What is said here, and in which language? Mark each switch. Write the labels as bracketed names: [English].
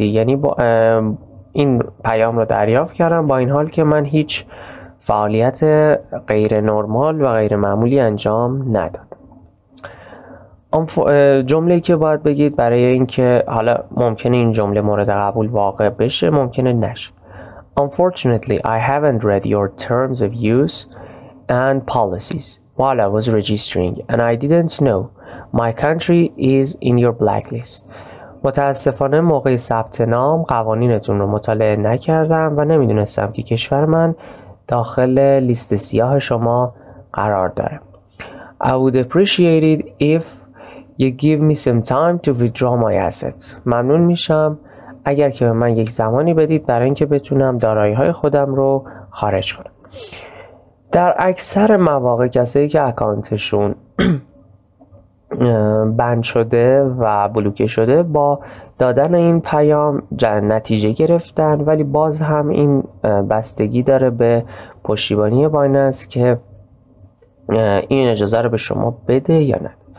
[Persian] یعنی با این پیام رو دریافت کردم، با این حال که من هیچ فعالیت غیر نرمال و غیر معمولی انجام نداد. جمله که باید بگید برای اینکه، حالا ممکنه این جمله مورد قبول واقع بشه، ممکنه نشه. [English] Unfortunately, I haven't read your terms of use and policies while I was registering, and I didn't know my country is in your blacklist. [Persian] متاسفانه موقع ثبت نام قوانینتون رو مطالعه نکردم و نمیدونستم که کشور من داخل لیست سیاه شما قرار داره. [English] I would appreciate it if you give me some time to withdraw my assets. [Persian] ممنون میشم اگر که به من یک زمانی بدید برای اینکه بتونم دارایی های خودم رو خارج کنم. در اکثر مواقع کسایی که اکانتشون بند شده و بلوکه شده با دادن این پیام نتیجه گرفتن، ولی باز هم این بستگی داره به پشتیبانی بایننس که این اجازه رو به شما بده یا نه.